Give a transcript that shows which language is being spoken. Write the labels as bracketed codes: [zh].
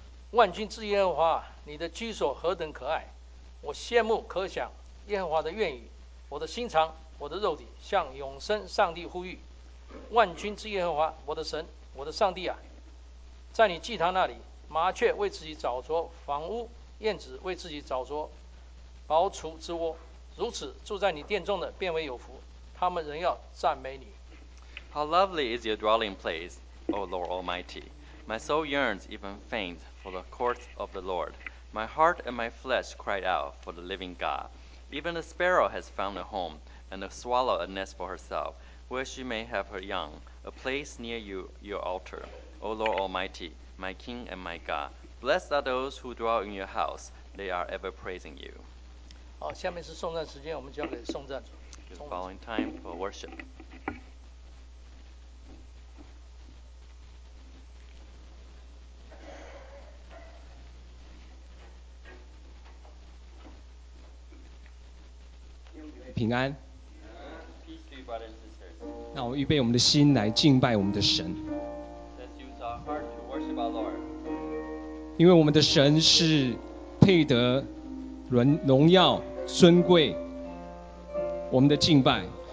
[zh] 万军之耶和华，你的居所何等可爱！我羡慕可想耶和华的愿语，我的心肠、我的肉体向永生上帝呼吁。万军之耶和华，我的神、我的上帝啊，在你祭坛那里，麻雀为自己找着房屋，燕子为自己找着薄雏之窝。如此住在你殿中的变为有福，他们仍要赞美你。 [en] How lovely is your dwelling place, O Lord Almighty! My soul yearns, even faints, for the courts of the Lord. My heart and my flesh cried out for the living God. Even the sparrow has found a home, and the swallow a nest for herself, where she may have her young, a place near you, your altar. O Lord Almighty, my King and my God, blessed are those who dwell in your house. They are ever praising you. [zh] 好，下面是颂赞时间，我们交给颂赞。 [en] It's following time for worship. [zh] 平安。 [en] Peace, [zh] 让我们预备我们的心来敬拜我们的神。 [en] Let's use our heart to worship our Lord. [zh] 因为我们的神是配得荣耀尊贵我们的敬拜。